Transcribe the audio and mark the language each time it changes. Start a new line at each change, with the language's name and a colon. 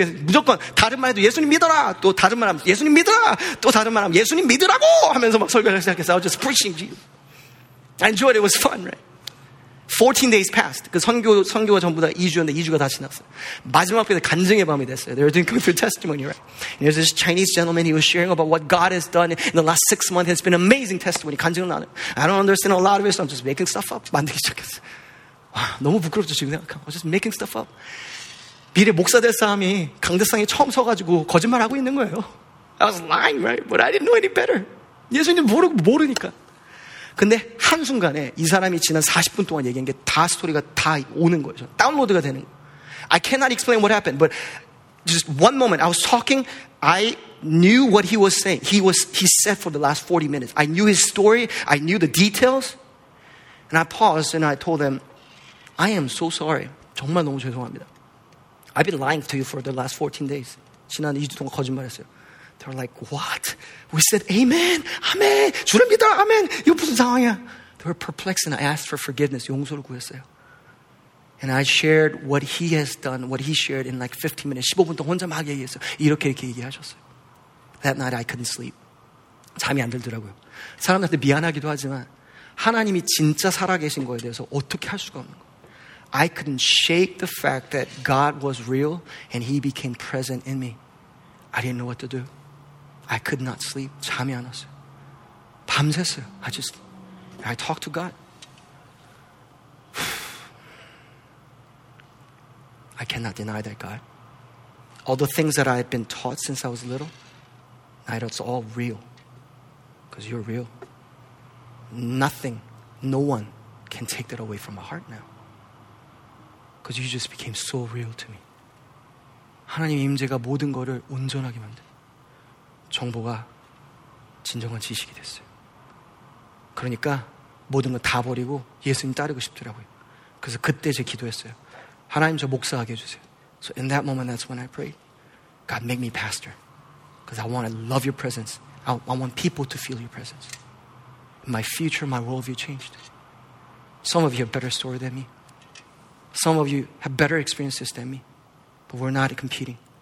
Korean: 무조건 다른 말 해도 예수님 믿어라. 또 다른 말 하면 예수님 믿어라. 또 다른 말 하면 예수님 믿으라고 하면서 막 설교를 시작했어요.
English: I was just preaching to you. I enjoyed it. It was fun, right? 14 days passed.
Korean: 그 선교가 전부 다 2주였는데 2주가 다 지났어요. 마지막에 간증의 밤이 됐어요.
English: They were doing coming through testimony, right? And there's this Chinese gentleman, he was sharing about what God has done in the last 6 months. It's been amazing testimony.
Korean: 간증을 나는.
English: I don't understand a lot of it, so I'm just making stuff up.
Korean: 만들기 시작했어요. 와, 너무 부끄럽죠, 지금 생각하면.
English: I was just making stuff up.
Korean: 미래 목사 될 사람이 강대상에 처음 서가지고 거짓말하고 있는 거예요.
English: I was lying, right? But I didn't know any better.
Korean: 예수님 모르니까. 근데 한순간에 이 사람이 지난 40분 동안 얘기한 게 다 스토리가 다 오는 거예요. 다운로드가 되는 거예요.
English: I cannot explain what happened, but just one moment. I was talking. I knew what he was saying. He said for the last 40 minutes. I knew his story. I knew the details. And I paused and I told him, I am so sorry.
Korean: 정말 너무 죄송합니다.
English: I've been lying to you for the last 14 days.
Korean: 지난 2주 동안 거짓말했어요.
English: They're like, what? We said, amen, amen,
Korean: 주를 믿어라,
English: amen.
Korean: 이거 무슨 상황이야?
English: They were perplexed and I asked for forgiveness,
Korean: 용서를 구했어요.
English: And I shared what he has done, what he shared in like 15 minutes,
Korean: 15분 동안 혼자 막 얘기했어요. 이렇게 이렇게 얘기하셨어요.
English: That night I couldn't sleep.
Korean: 잠이 안 들더라고요. 사람들한테 미안하기도 하지만 하나님이 진짜 살아계신 거에 대해서 어떻게 할 수가 없는 거예요.
English: I couldn't shake the fact that God was real and he became present in me. I didn't know what to do. I could not sleep.
Korean: 잠이 안 왔어요. 밤샜어요.
English: I talked to God. I cannot deny that God. All the things that I had been taught since I was little, now it's all real. Because you're real. Nothing, no one can take that away from my heart now. Because you just became so real to me.
Korean: 하나님의 임재가 모든 것을 온전하게 만들어요. 정보가 진정한 지식이 됐어요. 그러니까 모든 걸 다 버리고 예수님 따르고 싶더라고요. 그래서 그때 제가 기도했어요. 하나님 저 목사하게 해주세요.
English: So in that moment, that's when I prayed. God, make me pastor. Because I want to love your presence. I want people to feel your presence. My future, my worldview changed. Some of you have better story than me. Some of you have better experiences than me. But we're not competing.